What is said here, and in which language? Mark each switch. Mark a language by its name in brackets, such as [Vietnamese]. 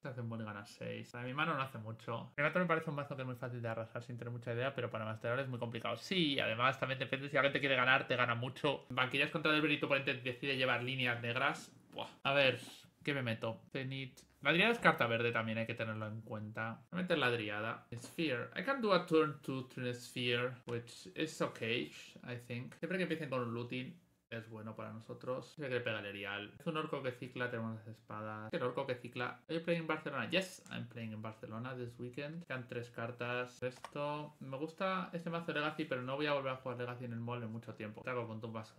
[Spanish] Se hacen bueno y ganas 6. A mi mano no hace mucho. Reanimator me parece un mazo que es muy fácil de arrasar sin tener mucha idea, pero para masterar es muy complicado. Sí, además también depende. Si alguien te quiere ganar, te gana mucho. Banquillas contra Delver y tu oponente decide llevar líneas negras. Buah. A ver, ¿qué me meto? Zenith... La driada es carta verde, también hay que tenerlo en cuenta. Voy a meter la driada. [English] Sphere. I can do a turn 2 to Sphere, which is okay, I think. [Spanish] Siempre que empiecen con un looting, es bueno para nosotros. Siempre que le pega el Erial. Es un orco que cicla, tenemos las espadas. El orco que cicla. [English] ¿Are you playing in Barcelona? Yes, I'm playing in Barcelona this weekend. [Spanish] Quedan 3 cartas. Esto. Me gusta este mazo de Legacy, pero no voy a volver a jugar Legacy en el mall en mucho tiempo. Atraco con tumbas.